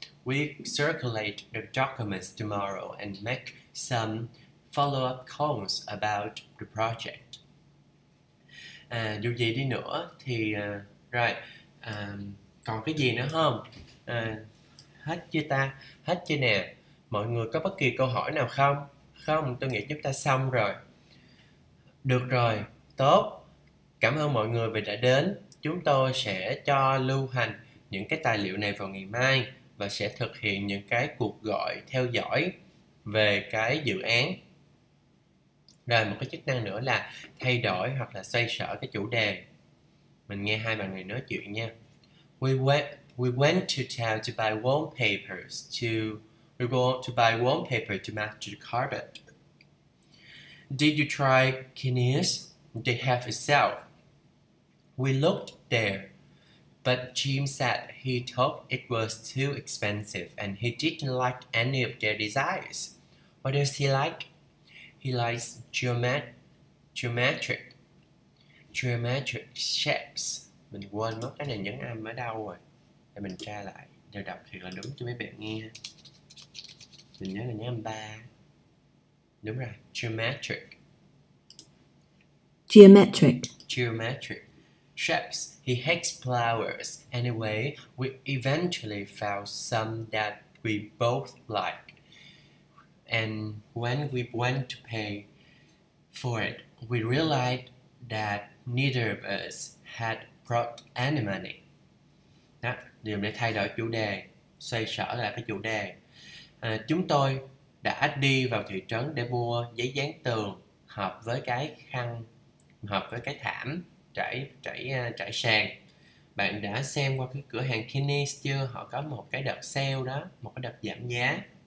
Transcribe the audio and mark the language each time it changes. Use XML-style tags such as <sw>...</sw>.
<en>We circulate the documents tomorrow and make some follow-up calls about the project.</en> <vi>Dù gì đi nữa thì rồi còn cái gì nữa không? Hết chưa ta? Hết chưa nè? Mọi người có bất kỳ câu hỏi nào không? Không, tôi nghĩ chúng ta xong rồi. Được rồi, tốt. Cảm ơn mọi người vì đã đến. Chúng tôi sẽ cho lưu hành những cái tài liệu này vào ngày mai và sẽ thực hiện những cái cuộc gọi theo dõi về cái dự án. Rồi một cái chức năng nữa là thay đổi hoặc là xoay sở cái chủ đề. Mình nghe hai bạn này nói chuyện nha.</vi> <en>We went to town to buy wallpapers to we want to buy wallpaper to match the carpet. Did you try Kinnear's? They have a sale. We looked there, but Jim said he thought it was too expensive and he didn't like any of their designs. What does he like? He likes geometric shapes.</en> <vi>Mình quên mất cái này nhấn âm ở đâu rồi. để mình tra lại rồi đọc thiệt là đúng cho mấy bạn nghe. Mình nhớ là nhớ âm ba. Đúng rồi, geometric.</vi> <en>Geometric. Geometric. Shapes, he hates flowers. Anyway, we eventually found some that we both like. And when we went to pay for it, we realized that neither of us had brought any money.</en> <vi>Đó, điều để thay đổi chủ đề, xoay sở lại cái chủ đề. Chúng tôi đã đi vào thị trấn để mua giấy dán tường hợp với cái khăn, hợp với cái thảm trải sàn. Bạn đã xem qua cái cửa hàng Kinney's chưa? Họ có một cái đợt sale đó, một cái đợt giảm giá.</vi>